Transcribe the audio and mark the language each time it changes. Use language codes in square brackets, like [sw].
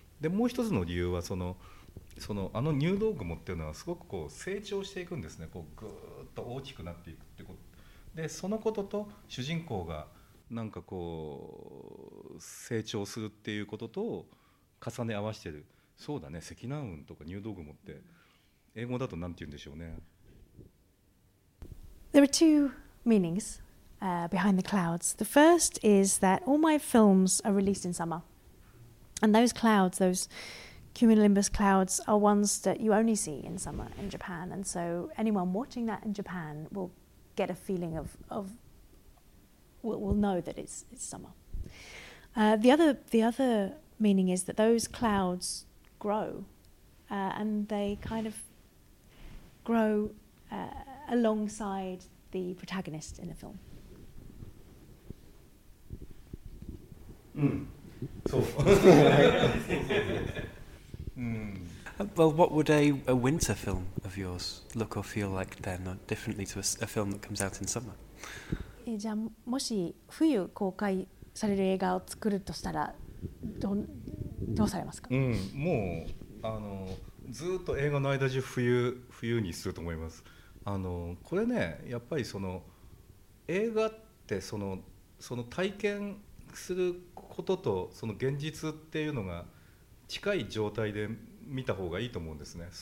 [ja] でもう一つの理由はそのあの入道雲っていうのはすごくこう成長していくんですね。こうぐーっと大きくなっていくってこと。でそのことと主人公がなんかこう成長するっていうことと重ね合わせてる。そうだね、積乱雲とか入道雲って英語だとなんて言うんでしょうね。 [en] There are two meanings、behind the clouds. The first is that all my films are released in summer. And those clouds, those cumulonimbus clouds, are ones that you only see in summer in Japan. And so anyone watching that in Japan will get a feeling of will know that it's summer. The other meaning is that those clouds grow, and they kind of grow alongside the protagonist in the film. Well, what would a winter film of yours look or feel like then, differently to a film that comes out in summer? [ja] じゃあもし冬公開される映画を作るとしたらどうされますか？うん、もうずっと映画の間中冬にすると思います。これね、やっぱりその映画ってその体験することとその現実っていうのが近い状態で見た方がいいと思うんですね。